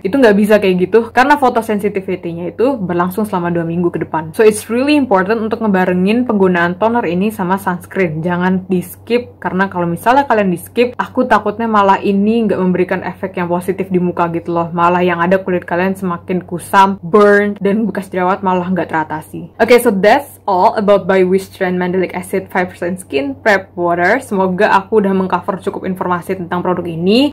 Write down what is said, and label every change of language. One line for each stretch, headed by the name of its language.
Indonesian: Itu nggak bisa kayak gitu, karena photosensitivity-nya itu berlangsung selama 2 minggu ke depan.
English: So it's really important
Indonesian: untuk ngebarengin penggunaan toner ini sama sunscreen. Jangan di skip, karena kalau misalnya kalian di skip, aku takutnya malah ini nggak memberikan efek yang positif di muka gitu loh. Malah yang ada kulit kalian semakin kusam, burn, dan bekas jerawat malah nggak teratasi.
English: Okay, so that's all about Biwistrand Mandelic Acid 5% Skin Prep Water.
Indonesian: Semoga aku udah mengcover cukup informasi tentang produk ini.